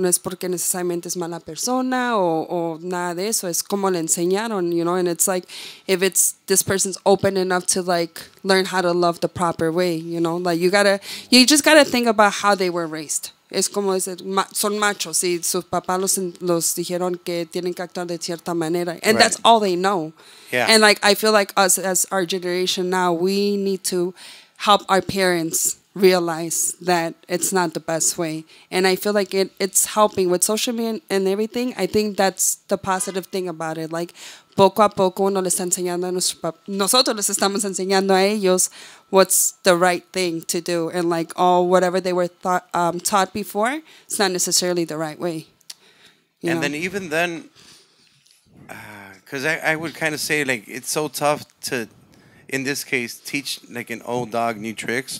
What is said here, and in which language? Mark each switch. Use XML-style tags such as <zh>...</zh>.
<es>No es porque necesariamente es mala persona o nada de eso. Es como le enseñaron,</es> <en>you know? And it's like, if it's this person's open enough to, like, learn how to love the proper way, you know? Like, you just got to think about how they were raised.</en> <es>Es como decir, son machos. Si sus papás los dijeron que tienen que actuar de cierta manera.</es> <en>And right. that's all they know. Yeah. And like, I feel like us, as our generation now, we need to help our parents realize that it's not the best way. And I feel like it's helping with social media and everything. I think that's the positive thing about it.</en> <es>Like, poco a poco uno le está enseñando a nuestros papás. Nosotros les estamos enseñando a ellos</es> <en>what's the right thing to do. And like, all whatever they were taught before, it's not necessarily the right way. And then even then, because I would kind of say, like, it's so tough to, in this case, teach like an old dog new tricks.</en>